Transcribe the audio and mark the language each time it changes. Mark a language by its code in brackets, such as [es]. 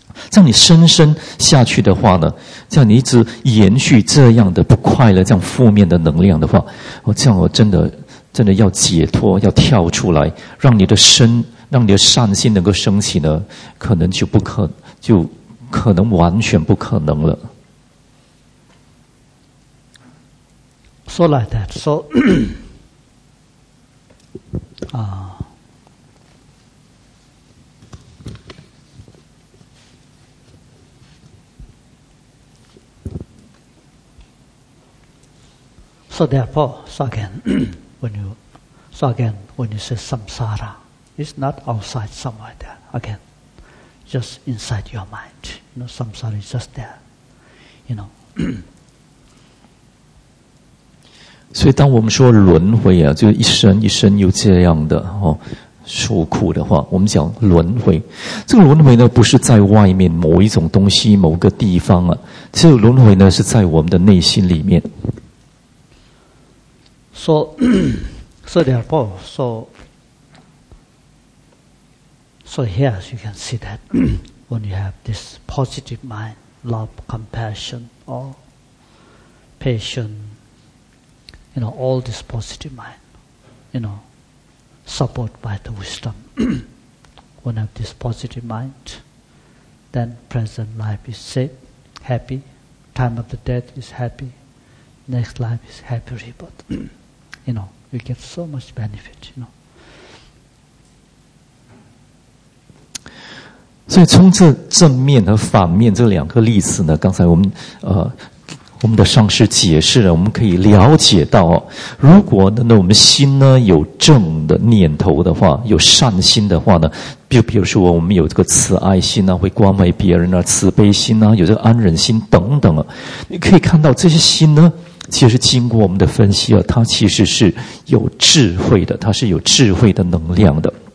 [zh] 这样你深深下去的话呢，这样你一直延续这样的不快乐，这样负面的能量的话，这样我真的要解脱，要跳出来，让你的善心能够升起呢，可能就可能完全不可能了。 [en] So like that, so, So therefore, when you say samsara, it's not outside somewhere there, again, just inside your mind. You know, samsara is just there, you know. [zh] 所以当我们说轮回啊，就一生一生又这样的，哦，受苦的话，我们讲轮回。这个轮回呢，不是在外面某一种东西、某个地方啊。这个轮回呢，是在我们的内心里面。说，说点不说。 [en] So here, as you can see that when you have this positive mind, love, compassion, or patience, you know, all this positive mind, you know, supported by the wisdom, when you have this positive mind, then present life is safe, happy, time of the death is happy, next life is happy rebirth. You know, you get so much benefit, you know. [zh] 所以从这正面和反面这两个例子呢，刚才我们的上师解释了，我们可以了解到，如果呢我们心呢有正的念头的话，有善心的话呢，就比如说我们有这个慈爱心啊，会关怀别人啊，慈悲心啊，有这个安忍心等等啊，你可以看到这些心呢，其实经过我们的分析啊，它其实是有智慧的，它是有智慧的能量的。